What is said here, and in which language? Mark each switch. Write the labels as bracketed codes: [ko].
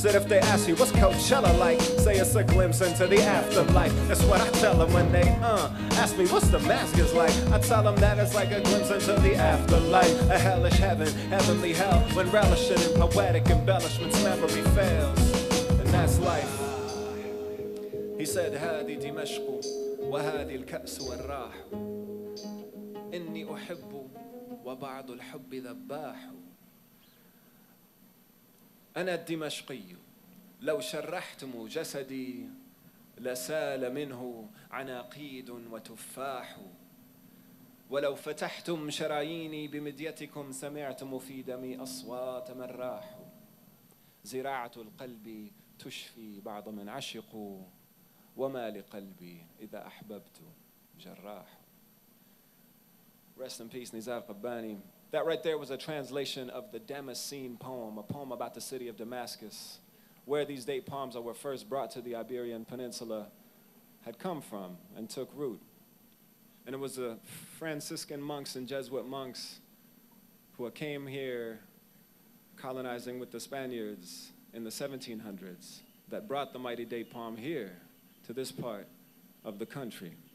[en] Said if they ask you what's Coachella like, say it's a glimpse into the afterlife. That's what I tell them when they ask me what's Damascus like. I tell them that it's like a glimpse into the afterlife. A hellish heaven, heavenly hell, when relishing in poetic embellishments, memory fails. And that's life. He said, [ar] هذه دمشق وهذه الكأس والراح إني أحب وبعض الحب ذباح أنا الدمشقي لو شرحتم جسدي لسال منه عناقيد وتفاح ولو فتحتم شراييني بمديتكم سمعتم في دمي أصوات من راح زراعة القلب تشفي بعض من عشقوا وما لقلبي إذا أحببت جراح. [en] Rest in peace, Nizar Qabbani. That right there was a translation of the Damascene poem, a poem about the city of Damascus, where these date palms that were first brought to the Iberian Peninsula had come from and took root. And it was the Franciscan monks and Jesuit monks who came here colonizing with the Spaniards in the 1700s that brought the mighty date palm here to this part of the country.